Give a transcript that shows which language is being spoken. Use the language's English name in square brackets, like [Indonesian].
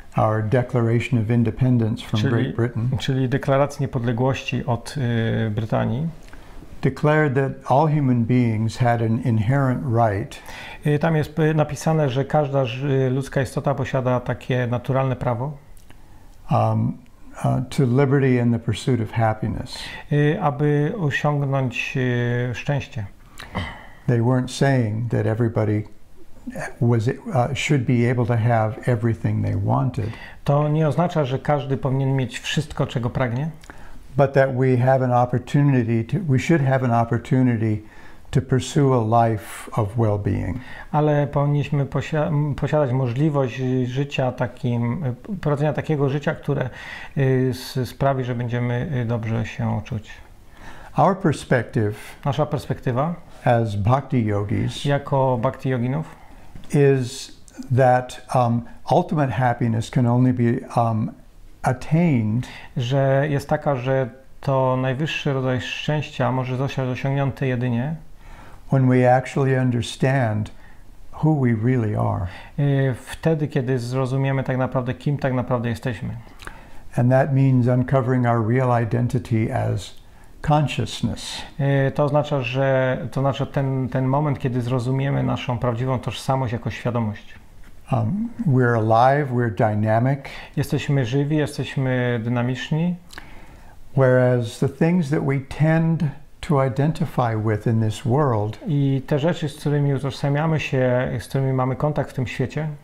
[English] our Declaration of Independence from Great Britain, [Polish] czyli deklaracja niepodległości od Brytanii, [English] declared that all human beings had an inherent right. [Polish] Tam jest napisane, że każda ludzka istota posiada takie naturalne prawo. [English] To liberty and the pursuit of happiness. [Polish] Aby osiągnąć szczęście. [English] They weren't saying that everybody was should be able to have everything they wanted. [Polish] To nie oznacza, że każdy powinien mieć wszystko, czego pragnie. [English] But that we have an opportunity to, we should have an opportunity to pursue a life of well-being. [Polish] Ale powinniśmy posiadać możliwość życia takim, prowadzenia takiego życia, które sprawi, że będziemy dobrze się czuć. [English] Our perspective, [Polish] nasza perspektywa, [English] as bhakti yogis, [Polish] jako bhakti yoginów, [English] is that ultimate happiness can only be attained, [Polish] że jest taka, że to najwyższy rodzaj szczęścia może zostać osiągnięty jedynie, [English] when we actually understand who we really are. [Polish] Wtedy, kiedy zrozumiemy tak naprawdę, kim tak naprawdę jesteśmy. [English] And that means uncovering our real identity as consciousness. [Polish] To oznacza, że to znaczy ten moment, kiedy zrozumiemy naszą prawdziwą tożsamość jako świadomość. [English] We're alive, we're dynamic. [Polish] Jesteśmy żywi, jesteśmy dynamiczni. [English] Whereas the things that we tend to identify with in this world, [Polish] i te rzeczy, z którymi utożsamiamy się, z którymi mamy kontakt w tym świecie,